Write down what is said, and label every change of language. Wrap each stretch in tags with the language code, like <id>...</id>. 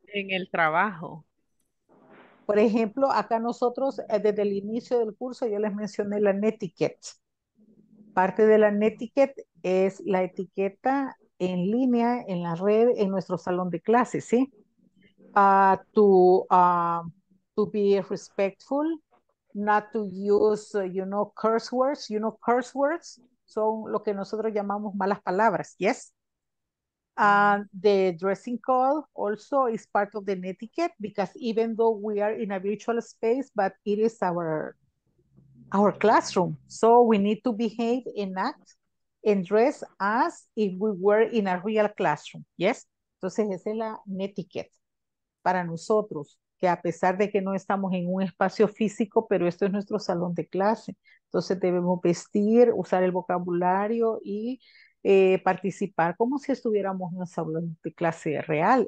<es>En el trabajo. Por ejemplo, acá nosotros, desde el inicio del curso, yo les mencioné la netiquette. Parte de la netiquette es la etiqueta en línea, en la red, en nuestro salón de clases, ¿sí?</es> <en>To be respectful, not to use, you know, curse words. You know, curse words</en> <es>son lo que nosotros llamamos malas palabras, ¿yes?</es> <en>The dressing code also is part of the netiquette because even though we are in a virtual space, but it is our classroom. So we need to behave and act and dress as if we were in a real classroom. Yes?</en> <es>Entonces esa es la netiquette para nosotros, que a pesar de que no estamos en un espacio físico, pero esto es nuestro salón de clase. Entonces debemos vestir, usar el vocabulario y participar como si estuviéramos en un salón de clase real.</es>